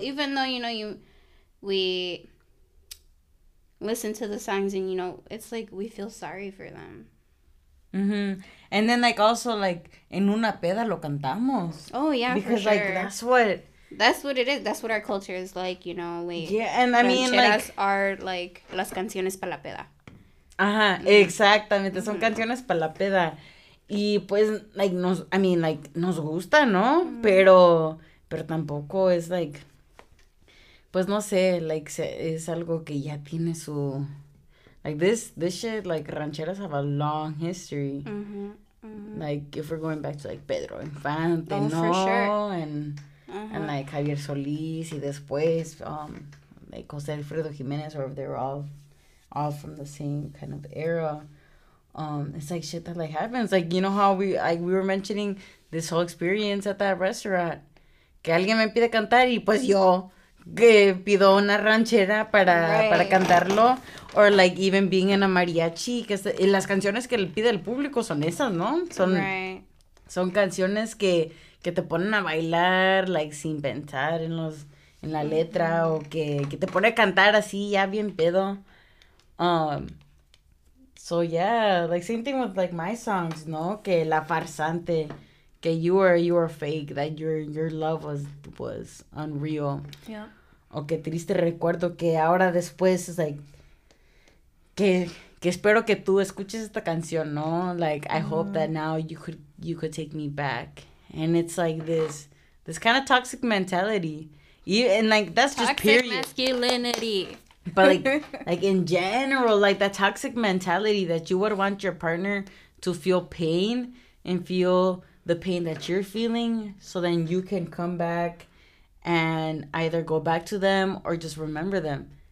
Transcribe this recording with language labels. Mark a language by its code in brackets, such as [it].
[en] Even though, you know, we listen to the songs and, you know, it's like we feel sorry for them. Mm-hmm. And then, like, also, like, [es] en una peda lo cantamos. [en] Oh, yeah, because, for sure. Because, like, that's what it is. That's what our culture is like, you know. We, yeah, and I mean, like, are, like, [es] las canciones para la peda. Ajá, exactamente. Mm-hmm. Son canciones para la peda. Y pues, like, nos, I mean, like, nos gusta, ¿no? Mm-hmm. Pero tampoco es, like, pues no sé, like, es algo que ya tiene su, like, [en] this shit, like, rancheras have a long history. Mm-hmm. Mm-hmm. Like, if we're going back to, like, Pedro Infante, oh, ¿no? For sure. And, uh-huh. and, like, Javier Solís, [es] y después, [en] like, José Alfredo Jiménez, or if they're all from the same kind of era. It's like shit that like happens. Like, you know how we were mentioning this whole experience at that restaurant. [es] Que alguien me pide cantar y pues yo que pido una ranchera para, right. para cantarlo. [en] Or like even being in a mariachi. [es] Que es, las canciones que le pide el público son esas, ¿no? Son, [en] right. [es] son canciones que te ponen a bailar, like sin pensar en los en la letra. Mm-hmm. O que te pone a cantar así ya bien pedo. [en] So, yeah, like, same thing with, like, my songs, ¿no? [es] Que la farsante, que [en] you were fake, that your love was unreal. Yeah. [es] O que triste recuerdo que ahora después es, like, que espero que tú escuches esta canción, ¿no? [en] Like, I hope that now you could take me back. And it's, like, this kind of toxic mentality. And, like, that's toxic just period. Toxic masculinity. But, like in general, like, that toxic mentality that you would want your partner to feel pain and feel the pain that you're feeling so then you can come back and either go back to them or just remember them.